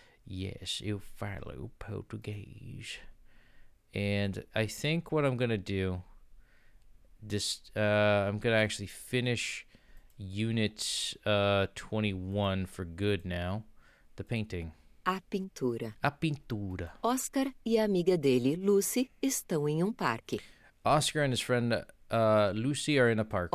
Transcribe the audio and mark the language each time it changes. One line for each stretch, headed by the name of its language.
English: Yes,
Portuguese: eu falo português.
English: And I think what I'm going to do, I'm going to actually finish unit 21 for good now. The painting.
Portuguese: A pintura. Oscar e a amiga dele, Lucy, estão em parque.
English: Oscar and his friend Lucy are in a park.